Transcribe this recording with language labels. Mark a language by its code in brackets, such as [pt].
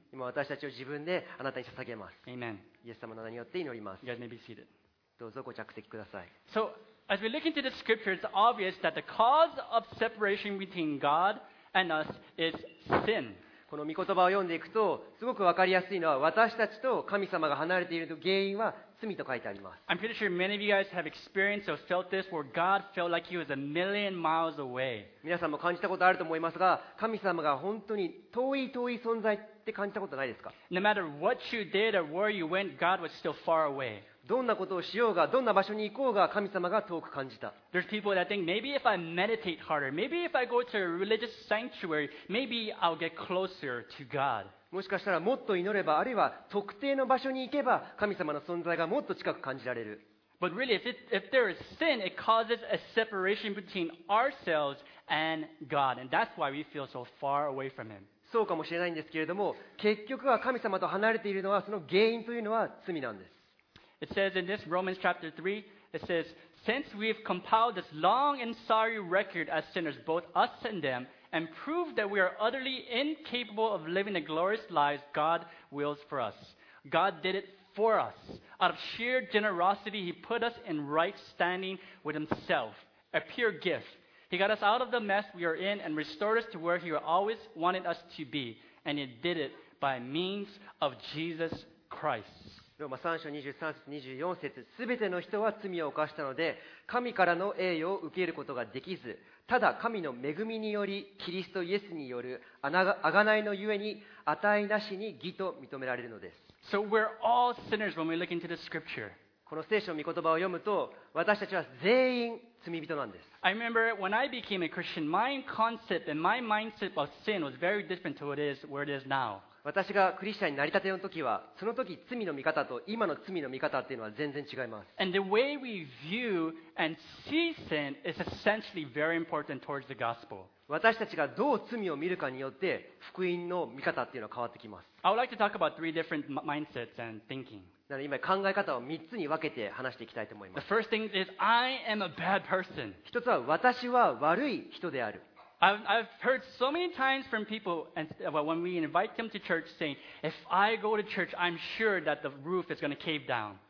[ja] 今、私たちを自分であなたに捧げます。 [en] Amen. [ja] イエス様の名によって祈ります。 [en] God, may be seated. [ja] どうぞご着席ください。 [en] So, as we look into the scripture, it's obvious that the cause of separation between God and us is sin. [ja] この御言葉を読んでいくと、すごくわかりやすいのは、私たちと神様が離れている原因は罪と書いてあります。 [en] I'm pretty sure many of you guys have experienced or felt this, where God felt like He was a million miles away. [ja] 皆さんも感じたことあると思いますが、神様が本当に遠い遠い存在って感じたことないですか？ [en] No matter what you did or where you went, God was still far away. [ja] どんなことをしようが、どんな場所に行こうが、神様が遠く感じた。 [en] There's people that think maybe if I meditate harder, maybe if I go to a religious sanctuary, maybe I'll get closer to God. [ja] もしかしたらもっと祈れば、あるいは特定の場所に行けば、神様の存在がもっと近く感じられる。 [en] But really, if there is sin, it causes a separation between ourselves and God, and that's why we feel so far away from Him. [ja] そうかもしれないんですけれども、結局は神様と離れているのは、その原因というのは罪なんです。 [en] It says in this Romans chapter 3, it says, Since we've compiled this long and sorry record as sinners, both us and them, and proved that we are utterly incapable of living the glorious lives God wills for us, God did it for us. Out of sheer generosity, He put us in right standing with Himself, a pure gift. He got us out of the mess we are in and restored us to where He always wanted us to be, and He did it by means of Jesus Christ. [ja] ローマ3章23節24節すべての人は罪を犯したので神からの栄誉を受けることができずただ神の恵みによりキリストイエスによる贖いのゆえに値なしに義と認められるのです。 [en] So we're all sinners when we look into the scripture. [ja] この聖書の御言葉を読むと私たちは全員罪人なんです。 [en] I remember when I became a Christian, my concept and my mindset of sin was very different to where it is now. [ja] 私がクリスチャンになりたての時は、その時罪の見方と今の罪の見方っていうのは全然違います。 [en] And the way we view and see sin is essentially very important towards the gospel. [ja] 私たちがどう罪を見るかによって福音の見方っていうのは変わってきます。 [en] I would like to talk about three different mindsets and thinking. [ja] なので今考え方を3つに分けて話していきたいと思います。 [en] The first thing is I am a bad person. [ja] 一つは私は悪い人である。 [en] I've heard so many times from people when we invite them to church saying, if I go to church, I'm sure that the roof is going to cave down.